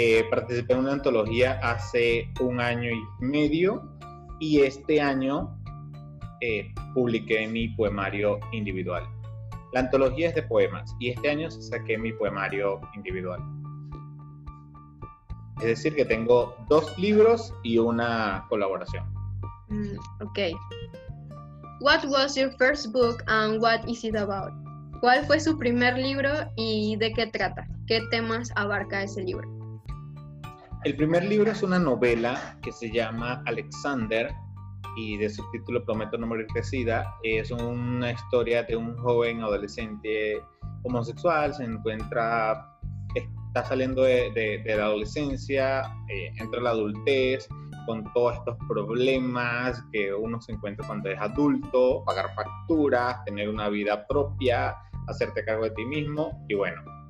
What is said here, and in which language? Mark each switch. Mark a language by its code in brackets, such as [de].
[es] Participé en una antología hace 1 año y medio y este año publiqué mi poemario individual. La antología es de poemas y este año saqué mi poemario individual. Es decir, que tengo 2 libros y una colaboración. Ok. [en] What was your first book and what is it about? [es] ¿Cuál fue su primer libro y de qué trata? ¿Qué temas abarca ese libro? El primer libro es una novela que se llama Alexander y de subtítulo Prometo no morir de SIDA. Es una historia de un joven adolescente homosexual, se encuentra, está saliendo de la adolescencia, entra a la adultez con todos estos problemas que uno se encuentra cuando es adulto, pagar facturas, tener una vida propia, hacerte cargo de ti mismo y bueno.